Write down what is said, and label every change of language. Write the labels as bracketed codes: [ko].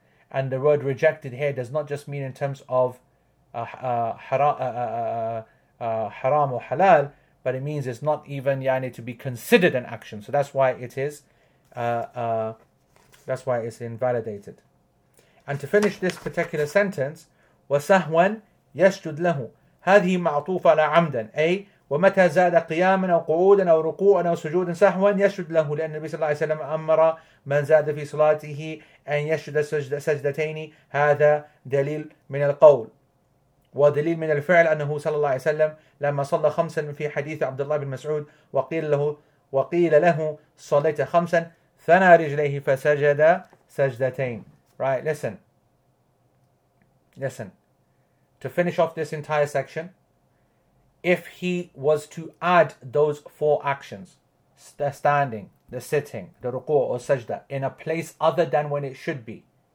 [en] And the word rejected here does not just mean in terms of haram or halal, but it means it's not even yani to be considered an action. So that's why it is, that's why it's invalidated. [ar] And to finish this particular sentence, وَسَهْوًا يَسْجُدْ لَهُ هَذِهِ مَعْطُوفَ عَلَى عَمْدًا أي وَمَتَى زَادَ قِيَامًا أَوْ قُعُودًا أَوْ رُقُوعًا أَوْ سُجُودًا سَهْوًا يَسْجُدْ لَهُ لأن النبي صلى الله عليه وسلم أمر من زاد في صلاته أن يسجد سجدتين هذا دليل من القول ودليل من الفعل أنه صلى الله عليه وسلم لما صلى خمسا في حديث عبد الله بن مسعود وقيل له صليت خمسا ثنى رجليه فسجد سجدتين. [en] Right, listen. To finish off this entire section, if he was to add those four actions, they're standing, they're sitting, the ruku' or sajda, in a place other than when it should be.